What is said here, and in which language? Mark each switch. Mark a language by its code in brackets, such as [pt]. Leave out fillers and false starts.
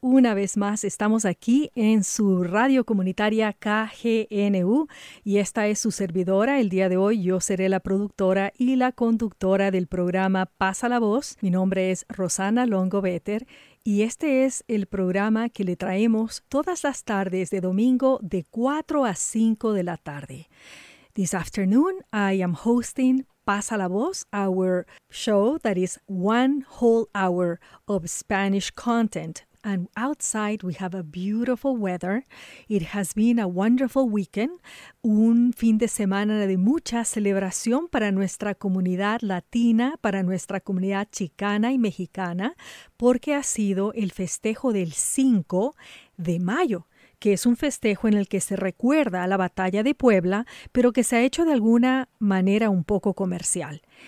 [es] Una vez más estamos aquí en su radio comunitaria KGNU y esta es su servidora. El día de hoy yo seré la productora y la conductora del programa Pasa la Voz. Mi nombre es Rosana Longo-Better y este es el programa que le traemos todas las tardes de domingo de 4 a 5 de la tarde. [en] This afternoon I am hosting Pasa la Voz, our show that is one whole hour of Spanish content. And outside we have a beautiful weather. It has been a wonderful weekend, [es] un fin de semana de mucha celebración para nuestra comunidad latina, para nuestra comunidad chicana y mexicana, porque ha sido el festejo del 5 de mayo, que es un festejo en el que se recuerda a la Batalla de Puebla, pero que se ha hecho de alguna manera un poco comercial.